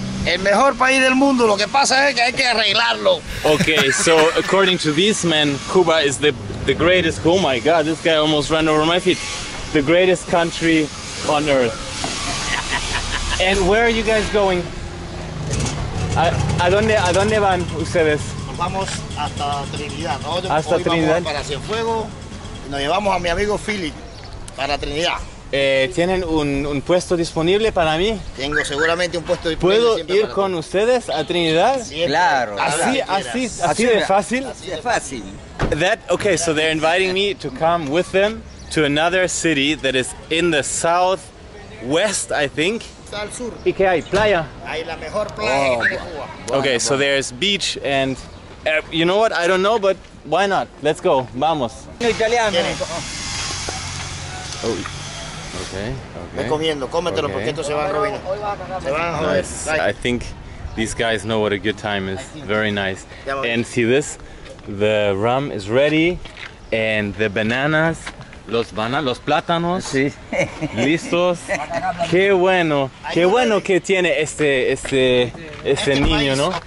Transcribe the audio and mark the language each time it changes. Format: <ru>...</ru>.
<es>El mejor país del mundo, lo que pasa es que hay que arreglarlo.</es> <en>Okay, so according to these men, Cuba is the greatest. Oh my god, this guy almost ran over my feet. The greatest country on earth. And where are you guys going?</en> <es>¿A dónde van ustedes? Vamos hasta Trinidad. Nosotros hasta hoy Trinidad. Vamos para Cienfuegos y nos llevamos a mi amigo Philip para Trinidad. ¿Tienen un puesto disponible para mí? Tengo seguramente un puesto disponible. ¿Puedo ir con ustedes a Trinidad? Siempre. Claro. Así de fácil. Así de fácil.</es> <en>That, okay, so they're inviting me to come with them to another city that is in the southwest, I think.</en> <es>Al sur. ¿Y qué hay? ¿Playa? Hay la mejor playa que tiene Cuba.</es> <en>Okay, so there's beach and you know what? I don't know, but why not? Let's go.</en> <es>Vamos. Italiano.</es> <en>Oh. Okay.</en> <es>Recomiendo, cómetelo porque esto se va a arruinar. Se van a joder.</es> <en>Nice. I think these guys know what a good time is. Very nice. And see this? The rum is ready and the bananas,</en> <es>los plátanos. Sí. Listos. Qué bueno que tiene este este niño, ¿no?</es>